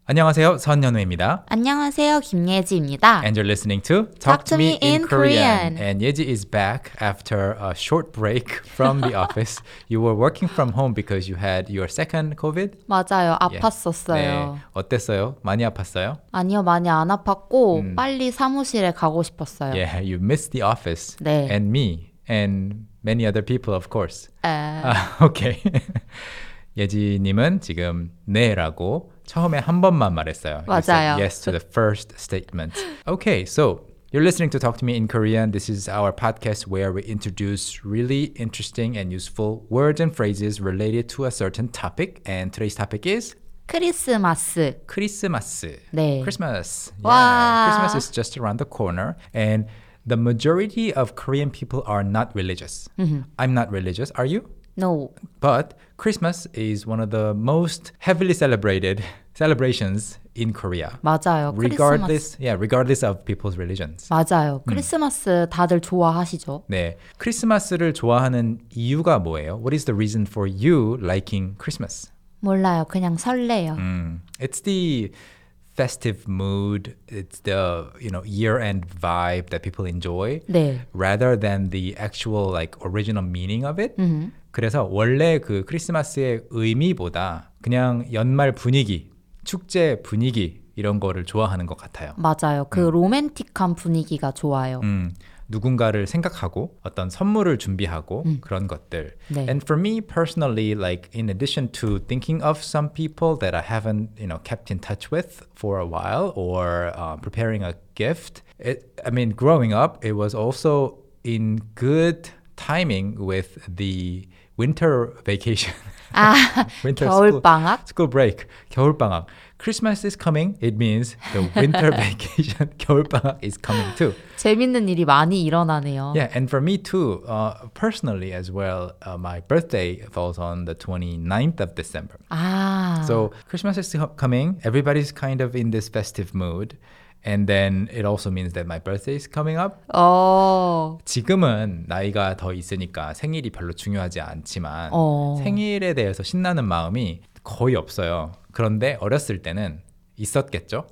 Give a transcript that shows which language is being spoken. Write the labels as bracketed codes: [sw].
[ko] 안녕하세요, 선연우입니다. 안녕하세요, 김예지입니다. [en] And you're listening to Talk to Me in Korean. And Yeji is back after a short break from the office. You were working from home because you had your second COVID? [ko] 맞아요, 아팠었어요. 네. 어땠어요? 많이 아팠어요? 아니요, 많이 안 아팠고 빨리 사무실에 가고 싶었어요. [en] Yeah, you missed the office. [ko] 네. [en] And me, and many other people, of course. Okay. [ko] 예지님은 지금 네라고 처음에 한 번만 말했어요. 맞아요. [en] Yes to the first statement. Okay, so you're listening to Talk to Me in Korean. This is our podcast where we introduce really interesting and useful words and phrases related to a certain topic. And today's topic is [ko] 크리스마스. 크리스마스. 네. [en] Christmas. Yeah. 와. Christmas is just around the corner. And the majority of Korean people are not religious. Mm-hmm. I'm not religious. Are you? No. But Christmas is one of the most heavily celebrated celebrations in Korea. [ko] 맞아요. [en] Regardless, yeah, regardless of people's religions. [ko] 맞아요. 크리스마스 다들 좋아하시죠? 네. 크리스마스를 좋아하는 이유가 뭐예요? [en] What is the reason for you liking Christmas? [ko] 몰라요. 그냥 설레요. [en] It's the festive mood. It's the, you know, year-end vibe that people enjoy. [ko] 네. [en] Rather than the actual like original meaning of it. Mm-hmm. [ko] 그래서 원래 그 크리스마스의 의미보다 그냥 연말 분위기, 축제 분위기 이런 거를 좋아하는 것 같아요. 맞아요. 그 로맨틱한 분위기가 좋아요. 누군가를 생각하고 어떤 선물을 준비하고 그런 것들. 네. [en] And for me personally, like in addition to thinking of some people that I haven't, you know, kept in touch with for a while or preparing a gift, growing up, it was also in good timing with the winter vacation. [ko] 아, winter 겨울방학? [en] School break. 겨울방학. Christmas is coming. It means the winter vacation. 겨울방학 is coming too. [ko] 재밌는 일이 많이 일어나네요. [en] Yeah, and for me too, personally as well, my birthday falls on the 29th of December. 아. So Christmas is coming. Everybody's kind of in this festive mood. And then it also means that my birthday is coming up. Oh. [ko] 지금은 나이가 더 있으니까 생일이 별로 중요하지 않지만 oh. 생일에 대해서 신나는 마음이 거의 없어요. 그런데 어렸을 때는 있었겠죠?